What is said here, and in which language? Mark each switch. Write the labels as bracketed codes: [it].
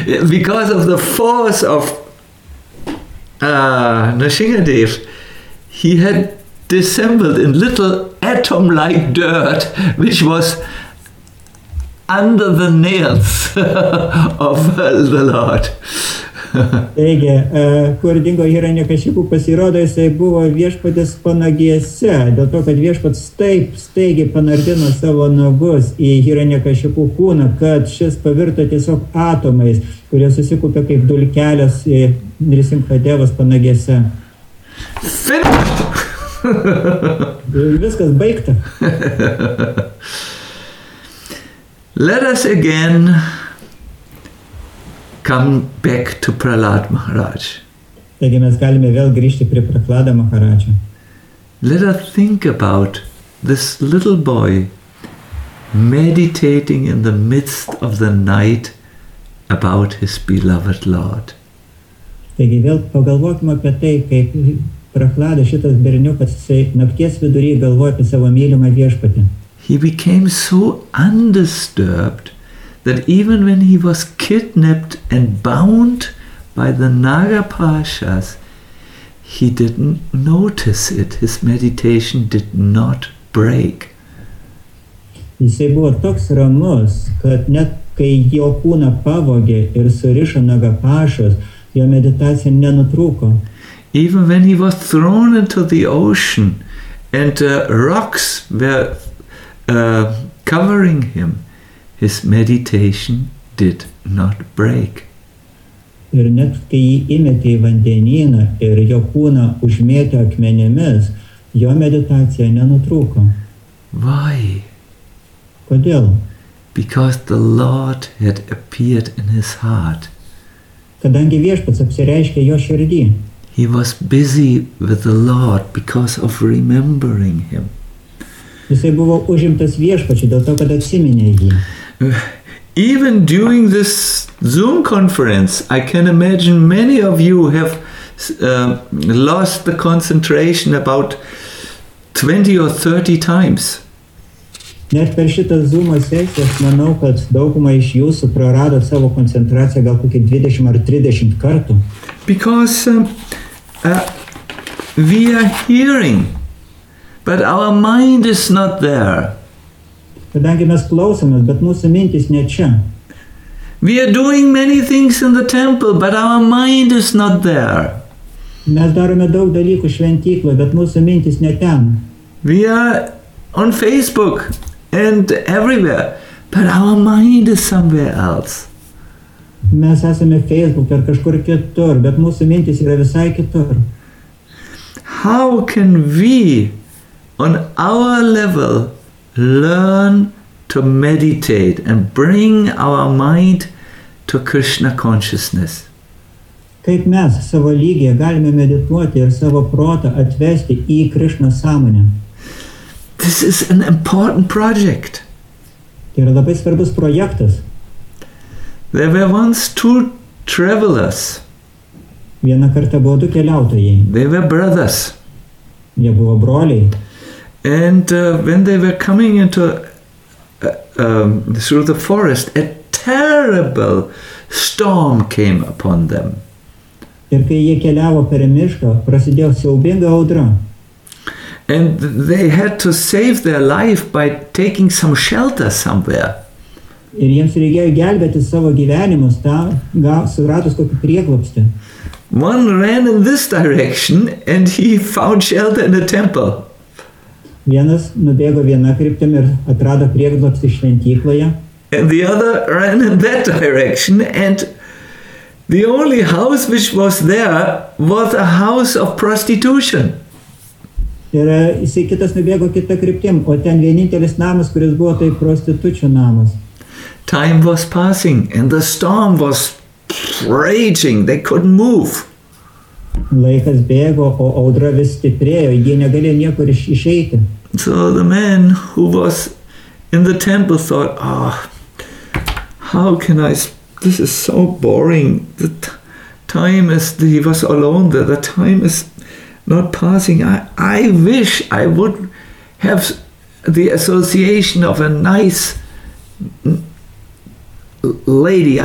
[en] Because of the force of Nrisimhadev, he had dissembled in little atom-like dirt, which was under the nails of the Lord. [lt] Taigi, kur dingo Hiranyakashipu, pasirodo, jisai buvo viešpatės panagėse, dėl to, kad viešpats taip staigiai panardino savo nagus į Hiranyakashipu kūną, kad šis pavirto tiesiog atomais, kurie susikupė kaip dulkelės į Nrisimhadevas panagėse. [en] Finished! [lt] Viskas baigta. [en] Let us again come back to Prahlad Maharaj. [lt] Taigi mes galime vėl grįžti prie Prahlada Maharadžio. [en] Let us think about this little boy meditating in the midst of the night about his beloved Lord. [lt] Taigi vėl pagalvokime apie tai, kaip prachlada šitas berniukas, jisai nakties vidury galvoja apie savo mylimą viešpatį. [en] He became so undisturbed that even when he was kidnapped and bound by the Nagapashas, he didn't notice it. His meditation did not break. [lt] Jisai buvo toks ramus, kad net kai jo kūną pavogė ir surišo Nagapašas, jo meditacija nenutrūko. [en] Even when he was thrown into the ocean and rocks were covering him, his meditation did not break. [lt] Ir net kai jį įmetė į vandenyną ir jo kūną užmėtė akmenėmis, jo meditacija nenutrūko. [en] Why? [lt] Kodėl? [en] Because the Lord had appeared in his heart. [lt] Kadangi viešpats apsireiškė jo širdį. [en] He was busy with the Lord because of remembering him. [lt] Jisai buvo užimtas viešpačiu dėl to, kad atsiminė jį. [en] Even during this Zoom conference, I can imagine many of you have lost the concentration about 20 or 30 times. [lt] Net per šitą Zoom sesiją, aš manau, kad dauguma iš jūsų prarado savo koncentraciją gal kokį 20 ar 30 kartų. [en] Because we are hearing, but our mind is not there. [lt] Kadangi mes klausomės, bet mūsų mintis ne čia. [en] We are doing many things in the temple, but our mind is not there. [lt] Mes darome daug dalykų šventykloje, bet mūsų mintis ne ten. [en] We are on Facebook and everywhere, but our mind is somewhere else. [lt] Mes esame Facebook ar kažkur kitur, bet mūsų mintis yra visai kitur. [en] How can we on our level learn to meditate and bring our mind to Krishna consciousness? [lt] Kaip mes savo lygyje galime medituoti ir savo protą atvesti į Krishna sąmonę? [en] This is an important project. [lt] Tai yra labai svarbus projektas. [en] There were once two travelers. [lt] Vieną kartą buvo du keliautojai. [en] They were brothers. [lt] Jie buvo broliai. [en] And when they were coming into through the forest, a terrible storm came upon them. [lt] Ir kai jie keliavo per mišką, prasidėjo siaubinga audra. [en] And they had to save their life by taking some shelter somewhere. [lt] Ir jiems reikėjo gelbėti savo gyvenimus, suradus kokį prieglobstį. [en] One ran in this direction and he found shelter in a temple. [lt] Vienas nubėgo vieną kryptimį ir atrado prieglobstį šventykloje. [en] And the other ran in that direction and the only house which was there was a house of prostitution. [lt] Ir jisai kitas nubėgo kitą kryptim, o ten vienintelis namas, kuris buvo, tai prostitučių namas. [en] Time was passing and the storm was raging. They couldn't move. [lt] Laikas bėgo, o audra vis stiprėjo. Jie negalėjo niekur išeiti. [en] So the man who was in the temple thought, oh, how can I, this is so boring. The time is, he was alone there. The time is not passing. I wish I would have the association of a nice lady.